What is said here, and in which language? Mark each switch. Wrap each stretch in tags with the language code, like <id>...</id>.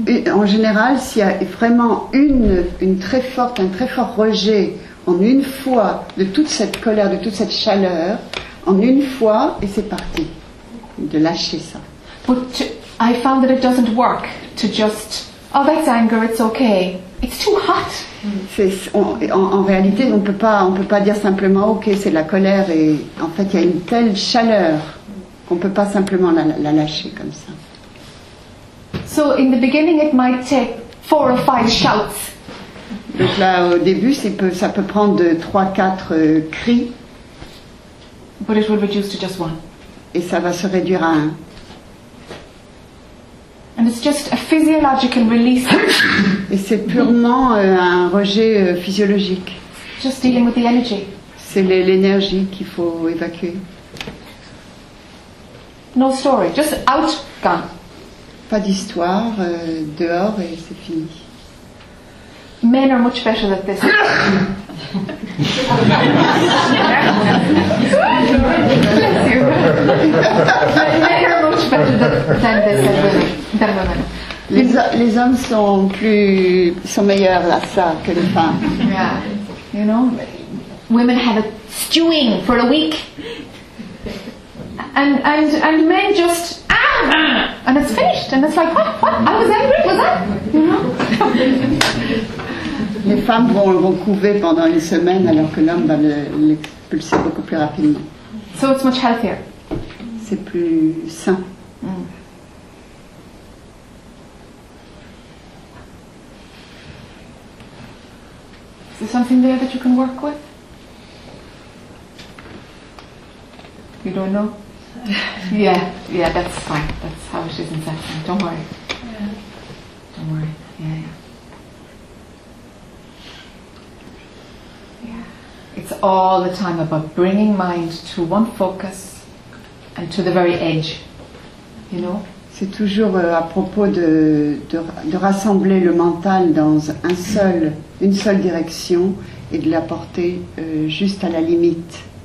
<fr>Donc, en général, s'il y a vraiment un très fort rejet en une fois de toute cette colère, de toute cette chaleur, en une fois, et c'est parti, de lâcher ça.</fr> <en>But I found that it doesn't work to just, oh, that's anger, it's okay. It's too hot.</en> <fr>En réalité, on peut pas dire simplement ok, c'est la colère, et en fait, il y a une telle chaleur qu'on peut pas simplement la lâcher comme ça.</fr> <en>So in the beginning, it might take four or five shouts.</en> <fr>Donc là, au début, ça peut prendre de 3-4 cris.</fr> <en>But it will reduce to just one.</en> <fr>Et ça va se réduire à un.</fr> <en>And it's just a physiological release.</en> <fr>Et c'est purement un rejet physiologique.</fr> <en>Just dealing with the energy.</en> <fr>C'est l'énergie qu'il faut évacuer.</fr> <en>No story, just out, gone.</en> <fr>Pas d'histoire, dehors et c'est fini.</fr> <en>Men are much better at this. Bless you. Men are much better than this than women.</en> <fr>Les hommes sont meilleurs à ça que les femmes.</fr> <en>Yeah. You know, women have a stewing for a week. And men just and it's finished. And it's like, what? I was angry, was that? You know?</en> <fr>Les femmes vont le recouvrer pendant une semaine alors que l'homme va l'expulser beaucoup plus rapidement.</fr> <en>So it's much healthier.</en> <fr>C'est plus sain.</fr> <en>Is there something there that you can work with? You don't know? Yeah, that's fine. That's how it is in Sept. Don't worry. Don't worry. It's all the time about bringing mind to one focus and to the very edge, you know.</en> <fr>C'est toujours à propos de rassembler le mental dans une seule direction et de la porter juste à la limite.</fr>